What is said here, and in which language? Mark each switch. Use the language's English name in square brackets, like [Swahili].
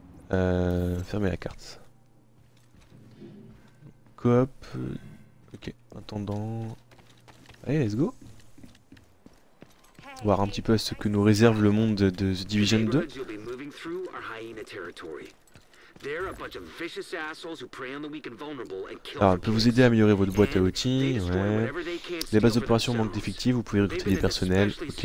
[French] Fermez la carte. Coop. Ok, attendant. Allez, [English] let's go. [French] Voir un petit peu à ce que nous réserve le monde de The Division 2. [English] Through our hyena territory. They're a bunch of vicious assholes who prey on the weak and vulnerable and kill. [French] Alors, peut vous aider à améliorer votre boîte à outils. Ouais. Les bases d'opération manquent d'effectifs, vous pouvez recruter des personnels. Ok.